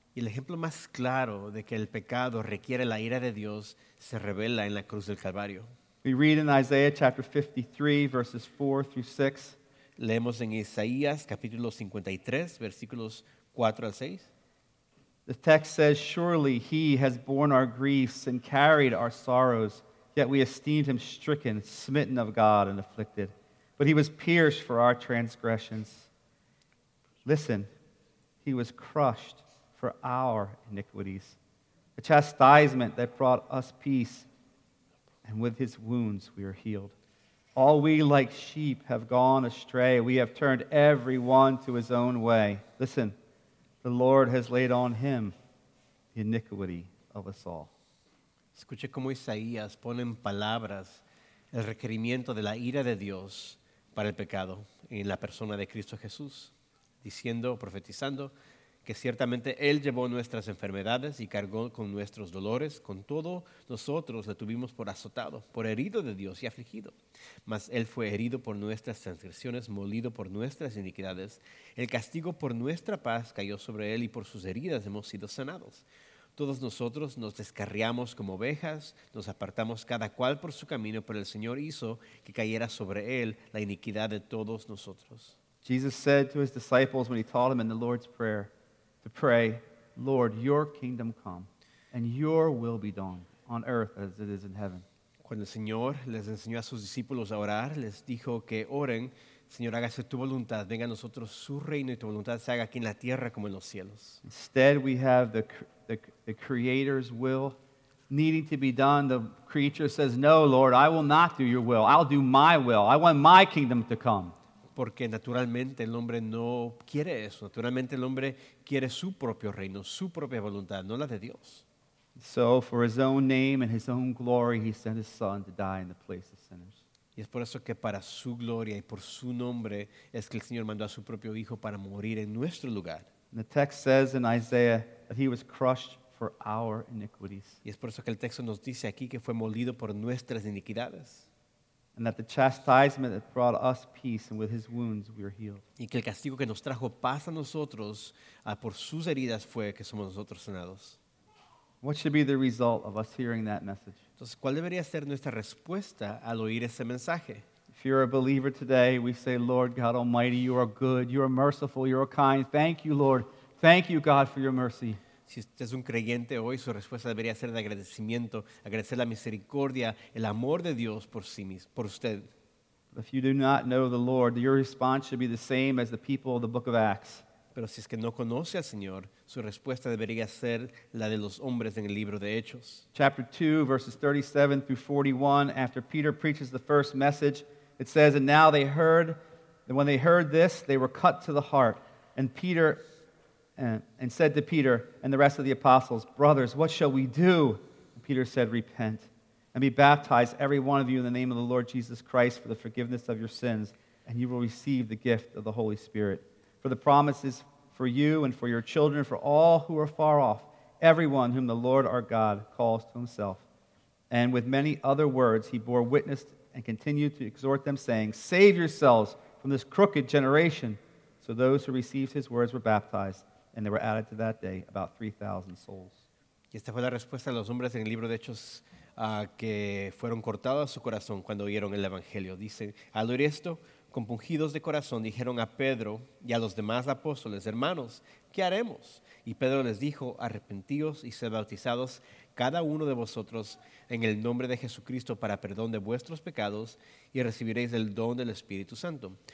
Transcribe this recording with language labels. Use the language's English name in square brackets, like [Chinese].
[Spanish] Y el ejemplo más claro de que el pecado requiere la ira de Dios se revela en la cruz del Calvario. [English] We read in Isaiah chapter 53 verses 4 through 6. [Spanish] Leemos en Isaías, capítulo 53, versículos 4 al 6. [English] The text says, Surely he has borne our griefs and carried our sorrows, yet we esteemed him stricken, smitten of God and afflicted. But he was pierced for our transgressions. Listen, he was crushed for our iniquities. A chastisement that brought us peace, and with his wounds we are healed. All we like sheep have gone astray. We have turned every one to his own way. Listen, the Lord has laid on him the iniquity of us all. [Spanish] Escuche cómo Isaías pone en palabras el requerimiento de la ira de Dios para el pecado en la persona de Cristo Jesús, diciendo, profetizando, que ciertamente Él llevó nuestras enfermedades y cargó con nuestros dolores. Con todo, nosotros le tuvimos por azotado, por herido de Dios y afligido. Mas Él fue herido por nuestras transgresiones, molido por nuestras iniquidades. El castigo por nuestra paz cayó sobre Él y por sus heridas hemos sido sanados. Todos nosotros nos descarriamos como ovejas, nos apartamos cada cual por su camino, pero el Señor hizo que cayera sobre Él la iniquidad de todos nosotros. [English] Jesus said to his disciples when he taught them in the Lord's Prayer, to pray, Lord, your kingdom come, and your will be done on earth as it is in heaven. [Spanish] Cuando el Señor les enseñó a sus discípulos a orar, les dijo que oren, Señor, hágase tu voluntad, venga a nosotros su reino y tu voluntad se haga aquí en la tierra como en los cielos. [English] Instead, we have the Creator's will needing to be done. The creature says, no, Lord, I will not do your will. I'll do my will. I want my kingdom to come. [Spanish] Porque naturalmente el hombre no quiere eso. Naturalmente el hombre quiere su propio reino, su propia voluntad, no la de Dios. [English] So for his own name and his own glory, he sent his son to die in the place of sinners. [Spanish] Y es por eso que para su gloria y por su nombre es que el Señor mandó a su propio hijo para morir en nuestro lugar. [English] And the text says in Isaiah that he was crushed for our iniquities. [Spanish] Y es por eso que el texto nos dice aquí que fue molido por nuestras iniquidades. [English] And that the chastisement that brought us peace and with his wounds we are healed. [Spanish] Y que el castigo que nos trajo paz a nosotros por sus heridas fue que somos nosotros sanados. [English] What should be the result of us hearing that message? [Spanish] Entonces, ¿cuál debería ser nuestra respuesta al oír ese mensaje? [English] If you're a believer today, we say, Lord God Almighty, you are good, you are merciful, you are kind. Thank you, Lord. Thank you, God, for your mercy. [Spanish] Si usted es un creyente hoy, su respuesta debería ser de agradecimiento, agradecer la misericordia, el amor de Dios por sí mismo, por usted. [English] But if you do not know the Lord, your response should be the same as the people of the book of Acts. [Spanish] Pero si es que no conoce al Señor, su respuesta debería ser la de los hombres en el libro de Hechos. [English] Chapter 2, verses 37 through 41, after Peter preaches the first message, it says, and now they heard, and when they heard this, they were cut to the heart. And Peter, and said to Peter and the rest of the apostles, brothers, what shall we do? And Peter said, repent, and be baptized, every one of you, in the name of the Lord Jesus Christ for the forgiveness of your sins, and you will receive the gift of the Holy Spirit. For the promise is for you and for your children, for all who are far off, everyone whom the Lord our God calls to himself. And with many other words, he bore witness and continued to exhort them, saying, save yourselves from this crooked generation. So those who received his words were baptized, and there were added to that day about 3,000 souls. [Spanish] Y esta fue la respuesta de los hombres en el libro de Hechos que fueron cortados a su corazón cuando oyeron el Evangelio. Dice, al oír esto, compungidos de corazón, dijeron a Pedro y a los demás apóstoles, hermanos, ¿qué haremos? Y Pedro les dijo, arrepentíos y sed bautizados cada uno de vosotros en el nombre de Jesucristo para perdón de vuestros pecados y recibiréis el don del Espíritu Santo.